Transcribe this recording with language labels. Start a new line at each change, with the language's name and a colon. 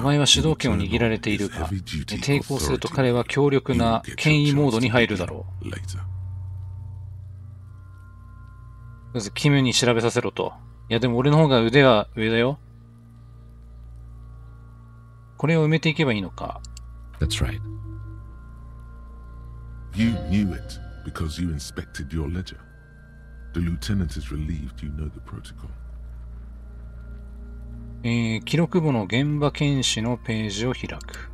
Japanese: お前は主導権を握られているか。抵抗すると彼は強力な権威モードに入るだろう。まずキムに調べさせろと。いやでも俺の方が腕は上だよ。これを埋めていけばいいのか。
English: That's right. You knew it because you inspected your ledger. The lieutenant is relieved you know the protocol.
Japanese: 記録簿の現場検視のページを開く。